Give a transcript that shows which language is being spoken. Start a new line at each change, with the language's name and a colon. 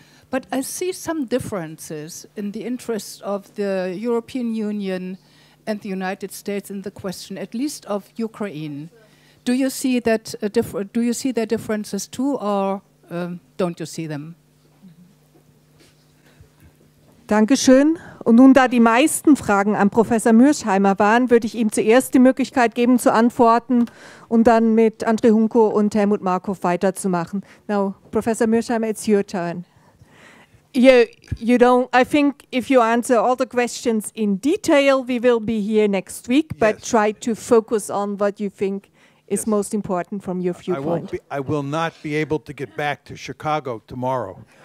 English: But I see some differences in the interests of the European Union and the United States in the question, at least of Ukraine. Do you see that do you see their differences too, or don't you see them?
German: Dankeschön. Und nun, da die meisten Fragen an Professor Mörsheimer waren, würde ich ihm zuerst die Möglichkeit geben zu antworten und dann mit André Hunko und Helmut Markov weiterzumachen.
English: Now, Professor Mörsheimer, it's your turn. I think if you answer all the questions in detail, we will be here next week, but yes, try to focus on what you think is yes. most important from your viewpoint. I will not be able to get back to Chicago tomorrow.